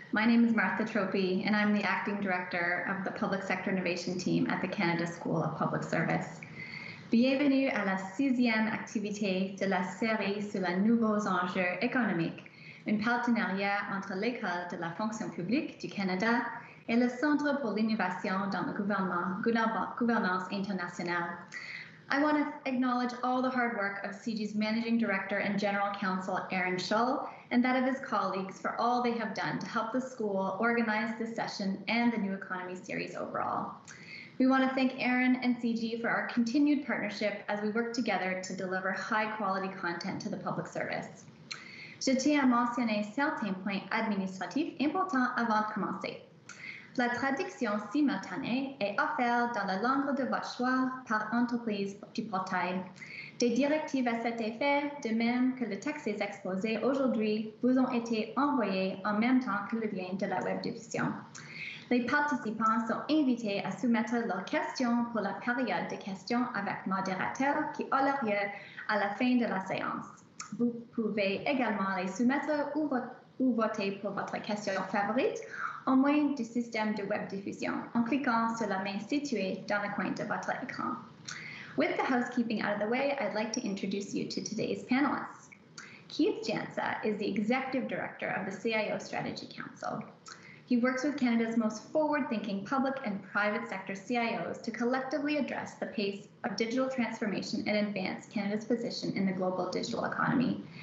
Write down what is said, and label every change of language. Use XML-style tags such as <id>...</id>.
<en>My name is Martha Tropy, and I'm the acting director of the Public Sector Innovation Team at the Canada School of Public Service.</en> <fr>Bienvenue à la sixième activité de la série sur les nouveaux enjeux économiques, un partenariat entre l'École de la fonction publique du Canada et le Centre pour l'innovation dans le gouvernement, gouvernance internationale.</fr> <en>I want to acknowledge all the hard work of CG's Managing Director and General Counsel, Aaron Schull, and that of his colleagues for all they have done to help the school organize this session and the New Economy series overall. We want to thank Aaron and CG for our continued partnership as we work together to deliver high quality content to the public service.</en> <fr>Je tiens à mentionner certains points administratifs importants avant de commencer. La traduction simultanée est offerte dans la langue de votre choix par entreprise du portail. Des directives à cet effet, de même que le texte est exposé aujourd'hui, vous ont été envoyés en même temps que le lien de la web diffusion. Les participants sont invités à soumettre leurs questions pour la période de questions avec modérateur qui aura lieu à la fin de la séance. Vous pouvez également les soumettre ou voter pour votre question favorite au moyen du système de web diffusion en cliquant sur la main située dans le coin de votre écran.</fr> <en>With the housekeeping out of the way, I'd like to introduce you to today's panelists. Keith Jansa is the Executive Director of the CIO Strategy Council. He works with Canada's most forward-thinking public and private sector CIOs to collectively address the pace of digital transformation and advance Canada's position in the global digital economy.</en>